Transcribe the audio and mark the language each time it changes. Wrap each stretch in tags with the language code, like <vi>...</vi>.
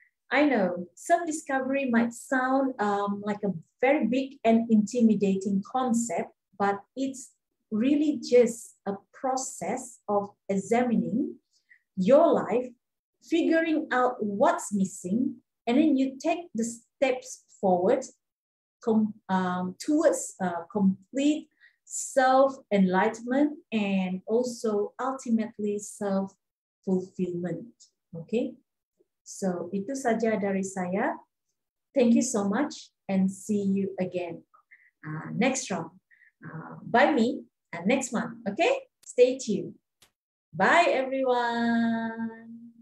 <en>I know self-discovery might sound like a very big and intimidating concept, but it's really just a process of examining your life, figuring out what's missing, and then you take the steps forward towards complete self-enlightenment and also ultimately self-fulfillment.</en> <ms>Okay, so itu saja dari saya.</ms> <en>Thank you so much and see you again next round by me. And next month, okay? Stay tuned. Bye, everyone.</en>